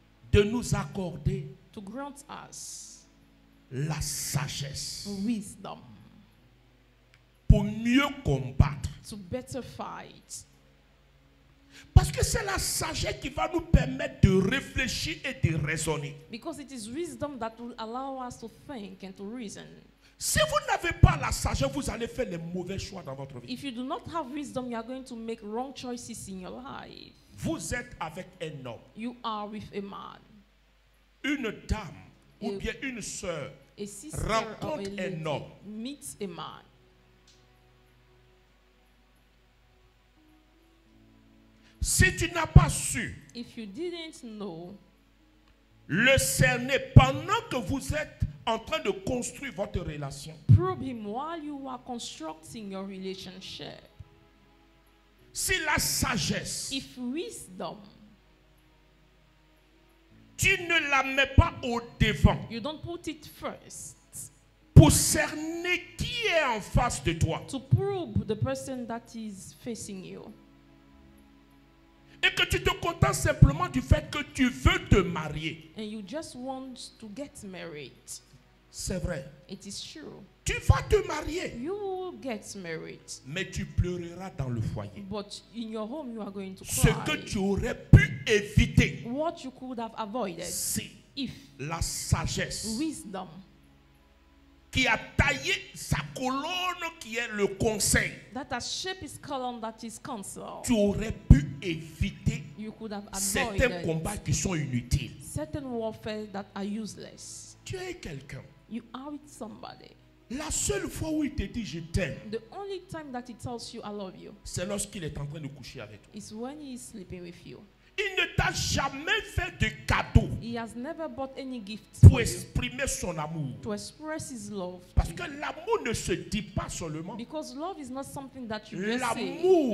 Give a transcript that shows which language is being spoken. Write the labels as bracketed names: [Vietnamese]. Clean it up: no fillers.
[French] De nous accorder [English] to grant us [French] la sagesse [English] wisdom [French] pour mieux combattre. [English] To better fight. [French] Parce que c'est la sagesse qui va nous permettre de réfléchir et de raisonner. [English] Because it is wisdom that will allow us to think and to reason. [French] Si vous n'avez pas la sagesse, vous allez faire les mauvais choix dans votre vie. [English] If you do not have wisdom, you are going to make wrong choices in your life. [French] Vous êtes avec un homme. [English] You are with a man. [French] Une dame ou bien une sœur rencontre un homme. [English] Meet a man. [French] Si tu n'as pas su, [English] if you didn't know, [French] le cerner pendant que vous êtes en train de construire votre relation. [English] Probe him while you are constructing your relationship. [French] Si la sagesse, [English] if wisdom, [French] tu ne la mets pas au devant, [English] you don't put it first, [French] pour cerner qui est en face de toi, [English] to probe the person that is facing you, [French] et que tu te contentes simplement du fait que tu veux te marier, [English] and you just want to get married, [French] c'est vrai, [English] it is true. [French] Tu vas te marier. [English] You will get married. [French] Mais tu pleureras dans le foyer. [English] But in your home you are going to cry. [French] Ce que tu aurais pu éviter. [English] What you could have avoided. [French] Si [English] if [French] la sagesse. [English] Wisdom. [French] Qui a taillé sa colonne qui est le conseil. [English] That has shaped his column that is counsel. [French] Tu aurais pu éviter. [English] You could have avoided [French] certains combats qui sont inutiles. [English] Certain warfare that are useless. [French] Tu es quelqu'un. [English] You are with somebody. [French] La seule fois où il te dit je t'aime, [English] the only time that he tells you I love you, [French] c'est lorsqu'il est en train de coucher avec toi. [English] It's when he is sleeping with you. [French] Il ne t'a jamais fait de cadeau. [English] He has never bought any gift [French] pour exprimer son amour. [English] To express his love. [French] Parce que l'amour ne se dit pas seulement. [English] Because love is not something that you [French] l'amour